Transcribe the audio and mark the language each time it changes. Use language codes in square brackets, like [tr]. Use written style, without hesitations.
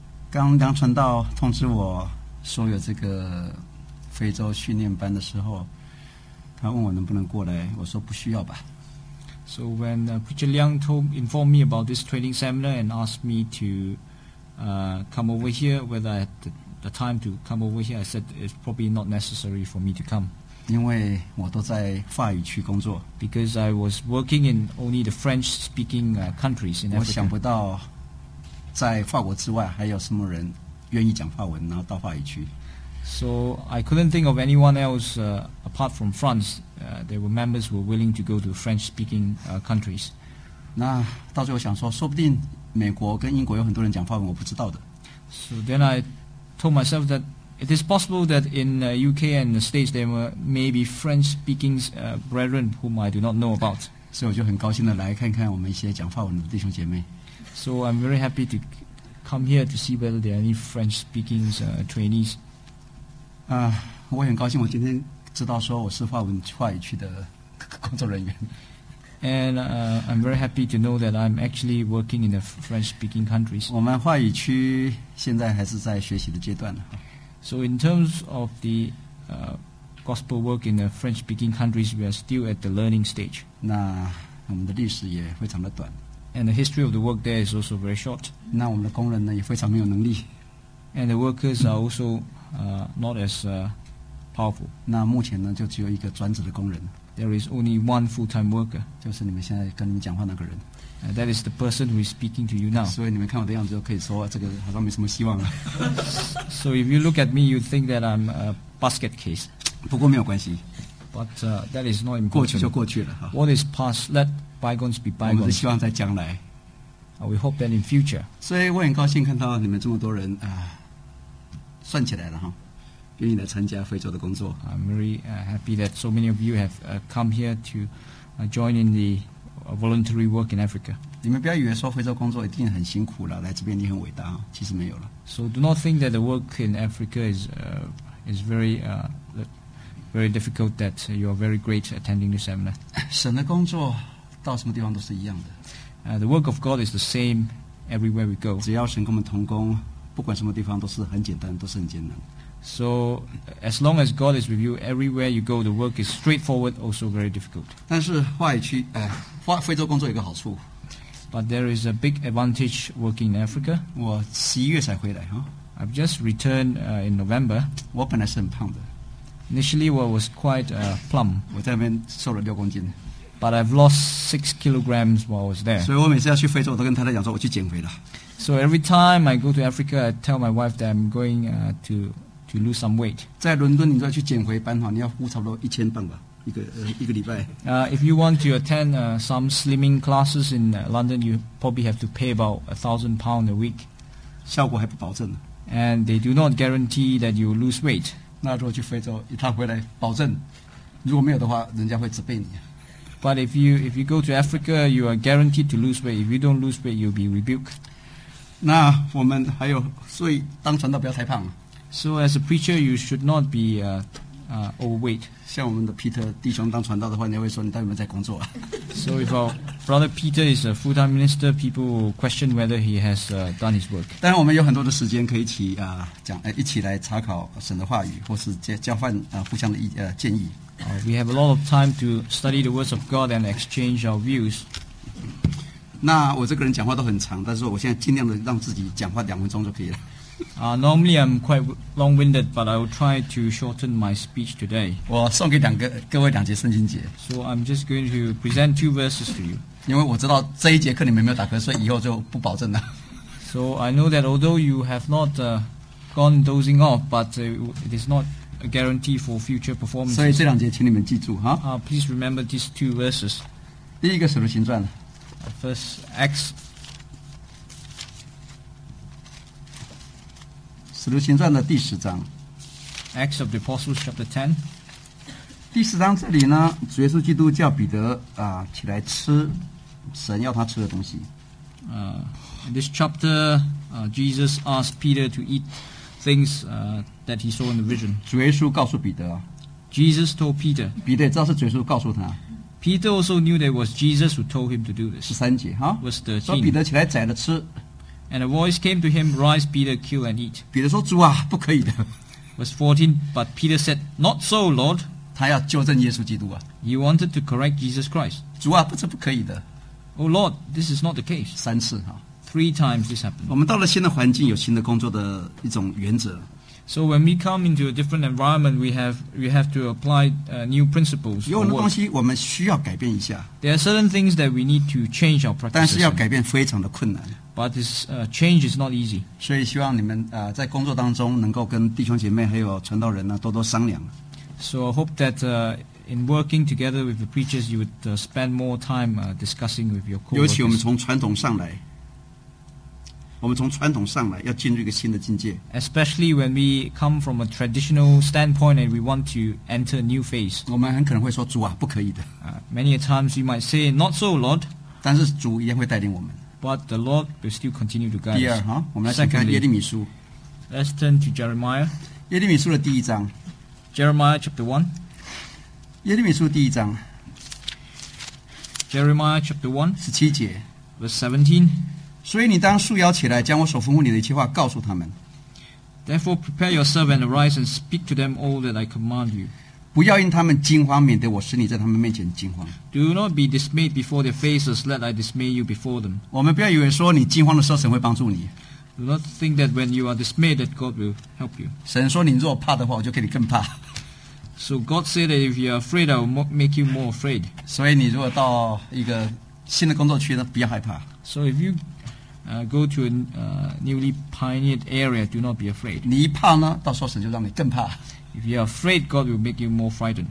[zh] 刚刚传道通知我说有这个非洲训练班的时候，他问我能不能过来，我说不需要吧。 [en] So when Preacher Liang informed me about this training seminar and asked me to come over here, whether I had the time to come over here, I said it's probably not necessary for me to come. [zh] 因为我都在法语区工作 [en] ，because I was working in only the French-speaking countries in Africa. [zh] 我想不到，在法国之外还有什么人愿意讲法文，然后到法语区。 [en] So I couldn't think of anyone else apart from France. There were members who were willing to go to French-speaking countries. [zh] 那到最后想说，说不定美国跟英国有很多人讲法文，我不知道的。 [en] So then I told myself that. It is possible that in the UK and the States there may be French-speaking brethren whom I do not know about. [zh] 所以我就很高兴的来看看我们一些讲法文的弟兄姐妹。 [en] So I'm very happy to come here to see whether there are any French-speaking trainees. [zh] 我很高兴我今天知道说我是法文法语区的工作人员。 [en] And I'm very happy to know that I'm actually working in the French-speaking countries. [zh] 我们法语区现在还是在学习的阶段呢。 [en] So in terms of the gospel work in the French-speaking countries, we are still at the learning stage. [zh] 那我们的历史也非常的短。 [en] And the history of the work there is also very short. [zh] 那我们的工人呢也非常没有能力。 [en] And the workers are also not as powerful. [zh] 那目前呢就只有一个专职的工人。 [en] There is only one full-time worker. [zh] 就是你们现在跟你们讲话那个人。 [en] And that is the person who is speaking to you now. [zh] 所以你们看我的样子就可以说这个好像没什么希望了。 [en] So if you look at me, you think that I'm a basket case. [zh] 不过没有关系。 [en] But that is not important. [zh] 过去就过去了。 [en] What is past, let bygones be bygones. [zh] 我们是希望在将来。 [en] We hope that in future. [zh] 所以我很高兴看到你们这么多人算起来了哈。愿意来参加非洲的工作。 [en] I'm very happy that so many of you have come here to join in the voluntary work in Africa. [zh] 你们不要以为说非洲工作一定很辛苦了，来这边你很伟大，其实没有了。 [en] So do not think that the work in Africa is very very difficult. That you are very great attending the seminar. [zh] 神的工作到什么地方都是一样的。 [en] The work of God is the same everywhere we go. [zh] 只要神跟我们同工，不管什么地方都是很简单，都是很艰难。 [en] So, as long as God is with you, everywhere you go, the work is straightforward, also very difficult. [zh] 但是华语区，非洲工作有一个好处。 [en] But there is a big advantage working in Africa. [zh] 我十一月才回来哈。 [en] I've just returned in November. [zh] 我本来是很胖的。 [en] Initially, I was quite plump. [zh] 我在那边瘦了六公斤。 [en] But I've lost 6 kilograms while I was there. [zh] 所以我每次要去非洲，我都跟太太讲说我去减肥了。 [en] So every time I go to Africa, I tell my wife that I'm going to lose some weight. [zh] 在伦敦，你要去减肥班你要付差不多£1,000吧，一个礼拜。 [en] If you want to attend some slimming classes in London, you probably have to pay about £1,000 a week. [zh] 效果还不保证。 [en] And they do not guarantee that you lose weight. [zh] 那如果去非洲一趟回来，保证，如果没有的话，人家会责备你。 [en] But if you go to Africa, you are guaranteed to lose weight. If you don't lose weight, you'll be rebuked. [zh] 那我们还有，所以当传道不要太胖。 [en] So as a preacher, you should not be overweight. [zh] 像我们的 Peter 弟兄当传道的话，你会说你到底有没有在工作啊？ [en] So if our brother Peter is a full-time minister, people question whether he has done his work. [zh] 当然我们有很多的时间可以一起讲一起来查考神的话语，或是交换互相的建议。 [en] We have a lot of time to study the words of God and exchange our views. [zh] 那我这个人讲话都很长，但是我现在尽量的让自己讲话两分钟就可以了。 [en] Normally I'm quite long-winded, but I will try to shorten my speech today. [zh] 我送给各位两节圣经节。 [en] So I'm just going to present two verses to you. [zh] 因为我知道这一节课你们没有打瞌睡，以后就不保证了。 [en] So I know that although you have not gone dozing off, but it is not a guarantee for future performance. [zh] 所以这两节请你们记住哈。 [en] Please remember these two verses. [zh] 第一个使徒行传。 [en] First Acts. [zh] 使徒行传的第十章 [en] Acts of the Apostles chapter 10 [zh] 第十章这里呢主耶稣基督叫彼得起来吃神要他吃的东西 [en] In this chapter Jesus asked Peter to eat things that he saw in the vision [zh] 主耶稣告诉彼得 [en] Jesus told Peter [zh] 彼得也知道是主耶稣告诉他 [en] Peter also knew that it was Jesus who told him to do this [zh] 十三节哈 [en] verse 13 [zh] 说彼得起来宰了吃 [en] And a voice came to him, Rise, Peter, kill and eat. [zh] 彼得说主啊不可以的 [en] Verse 14 But Peter said, Not so, Lord. [zh] 他要纠正耶稣基督啊 [en] He wanted to correct Jesus Christ. [zh] 主啊这不可以的 [en] Oh Lord, this is not the case. [zh] 三次啊 [en] Three times this happened. [zh] 我们到了新的环境有新的工作的一种原则 [en] So when we come into a different environment, we have to apply new principles. [zh] 有很多东西我们需要改变一下 [en] There are certain things that we need to change our practices. [zh] 但是要改变非常的困难 [en] But this change is not easy. [zh] 所以希望你们在工作当中能够跟弟兄姐妹还有传道人呢多多商量。 [en] So I hope that in working together with the preachers, you would spend more time discussing with your co-workers. [zh] 尤其我们从传统上来，我们从传统上来要进入一个新的境界。 [en] Especially when we come from a traditional standpoint and we want to enter a new phase. [zh] 我们很可能会说主啊，不可以的。 [en] Many a times you might say, "Not so, Lord." [zh] 但是主一样会带领我们。 [en] But the Lord will still continue to guide us. [zh] 第二哈，我们来看耶利米书。 [en] Let's turn to Jeremiah. [zh] 耶利米书的第一章。 [en] Jeremiah chapter 1. [zh] 耶利米书第一章。 [en] Jeremiah chapter 1. [zh] 十七节。 [en] Verse 17. [zh] 所以你当束腰起来，将我所吩咐你的一切话告诉他们。 [en] Therefore prepare yourself and arise and speak to them all that I command you. [zh] 不要因他们惊慌，免得我使你在他们面前惊慌。 [en] Do not be dismayed before their faces, let I dismay you before them. [zh] 我们不要以为说你惊慌的时候神会帮助你。 [en] Do not think that when you are dismayed that God will help you. [zh] 神说你若怕的话，我就给你更怕。 [en] So God said that if you are afraid, I will make you more afraid. [zh] 所以你如果到一个新的工作区呢，不要害怕。 [en] So if you go to a newly pioneered area, do not be afraid. [zh] 你一怕呢，到时候神就让你更怕。 [en] If you are afraid, God will make you more frightened.